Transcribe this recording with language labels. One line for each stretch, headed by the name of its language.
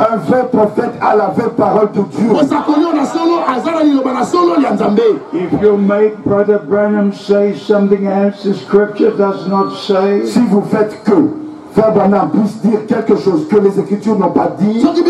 French: Un vrai prophète a la vraie parole de Dieu.
English: If you make Brother Branham say something else the scripture does not say,
French: si vous faites que Frère Branham puisse dire quelque chose que les Écritures n'ont pas dit,